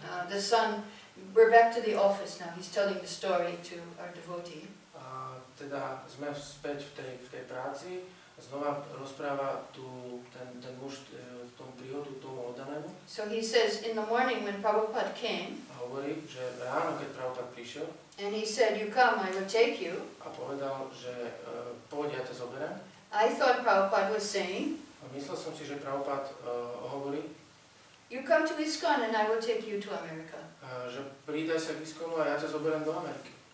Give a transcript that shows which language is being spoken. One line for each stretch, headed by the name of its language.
English: the son, we're back to the office now, he's telling the story to our devotee.
Slovak: Teda sme späť v tej práci, znova rozpráva ten muž v tom príhodu tomu oddanému.
English: So he says, in the morning when Prabhupada came,
Slovak: hovorí, že ráno, keď Prabhupada prišiel,
English: and he said, you come, I will take you.
Slovak: A povedal, že poď, ja ťa zoberiem.
English: I thought Prabhupada was saying,
Slovak: a myslel som si, že Prabhupada hovorí,
English: you come to ISKCON and I will take you to America.
Slovak: Že prídaj sa k ISKCONu a ja ťa zoberiem do Ameriky.